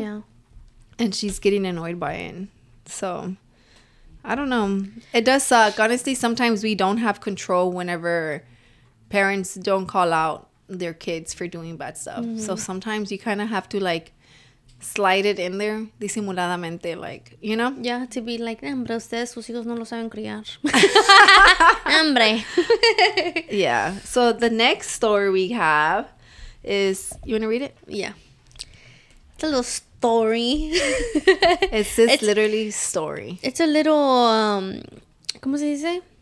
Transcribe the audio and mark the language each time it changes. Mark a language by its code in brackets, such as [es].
[en] Yeah. And she's getting annoyed by it. So, I don't know. It does suck. Honestly, sometimes we don't have control whenever parents don't call out their kids for doing bad stuff. Mm-hmm. So sometimes you kind of have to, like, slide it in there, [es] disimuladamente, [en] like, you know? Yeah, to be like, [es] hombre, ustedes, sus hijos no lo saben criar. Hombre. [en] Yeah. So the next story we have is, you want to read it? Yeah. It's a little story. it's literally story. It's a little, [es] ¿cómo se dice?